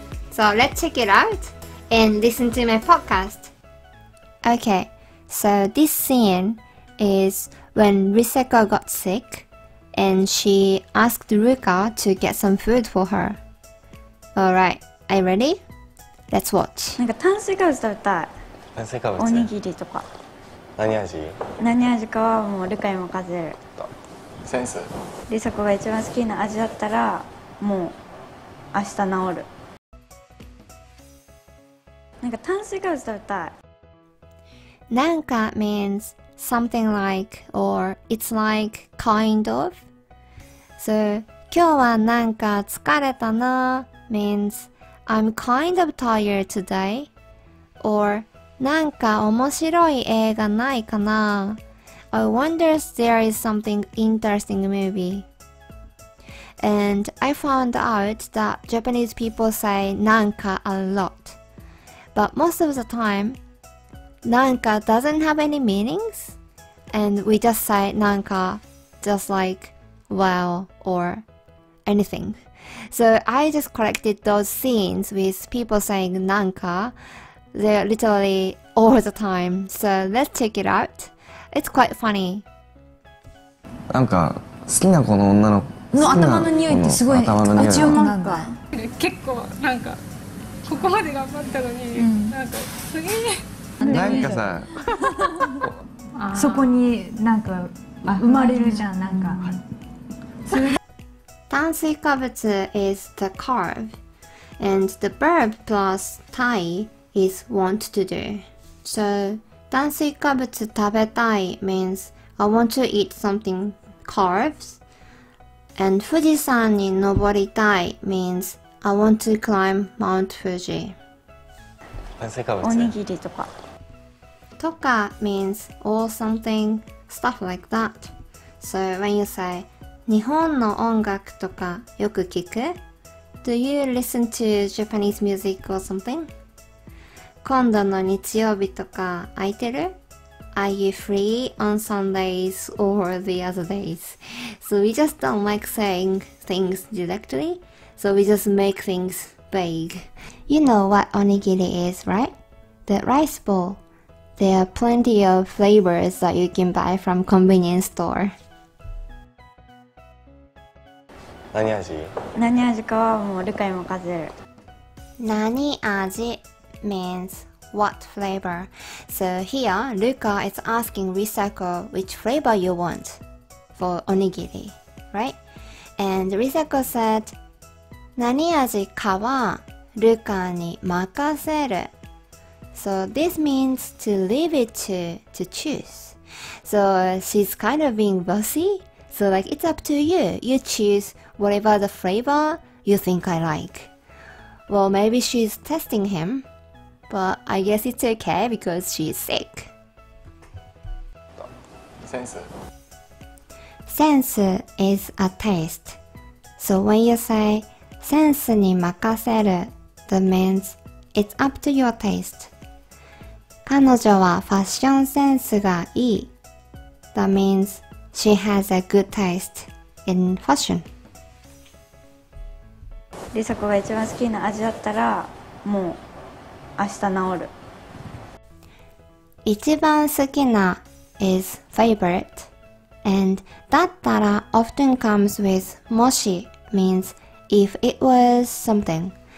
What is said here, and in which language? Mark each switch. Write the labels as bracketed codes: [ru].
[en] So let's check it out and listen to my podcast. Okay, so this scene is when Riseko got sick and she asked Ruka to get some food for her. Alright, are you ready? Let's watch. [ja] なんか炭水化物食べたい。炭水化物。おにぎりとか。何味？何味かはもうルカにも任せる。センス。リサコが一番好きな味だったらもう明日治る。なんか炭水化物食べたい。 [en] なんか means something like or it's like kind of. So [ja] 今日はなんか疲れたな [en] means I'm kind of tired today. Or. [ja] なんか面白い映画ないかな? [en] I wonder if there is something interesting movie. And I found out that Japanese people say なんかa lot. But most of the time, なんか doesn't have any meanings. And we just say なんか just like, well, or anything. So I just collected those scenes with people saying なんかThey're literally all the time, so let's check it out. It's quite funny. [ja] なんか好きな子の女の子の頭の匂いってすごい頭の匂い結構なんかここまで頑張ったのに、うん、なんかすげえなんかさそこになんか生まれるじゃんなんか [en] 炭水化物 is the carb, and the verb plus tai. Is want to do. So, [ja] 炭水化物食べたい [en] means I want to eat something carbs. And [ja] 富士山に登りたい [en] means I want to climb Mount Fuji. [ja] 炭水化物おにぎりとか。 [en] とか means or something, stuff like that. So, when you say [ja] 日本の音楽とかよく聞く? [en] Do you listen to Japanese music or something? [ja] 今度の日曜日とか空いてる? [en] Are you free on Sundays or the other days? So we just don't like saying things directly. So we just make things vague. You know what onigiri is, right? The rice ball. There are plenty of flavors that you can buy from convenience store. [ja] 何味? 何味かはもうルカに任せる。 [en] 何味?Means what flavor? So here, Ruka is asking Riseko which flavor you want for onigiri, right? And Riseko said, [ja] 何味かはルカに任せる。 [en] So this means to leave it to choose. So she's kind of being bossy. So like, it's up to you. You choose whatever the flavor you think I like. Well, maybe she's testing him. But I guess it's okay because she's sick. Sense. Sense is a taste. So when you say sense に任せる, that means it's up to your taste. [ja] 彼女はファッションセンスがいい. [en] That means she has a good taste in fashion. [ja] リサコが一番好きな味だったらもう明日治る [en] 一番好きな is favorite And だったら often comes with もし, means if it was something.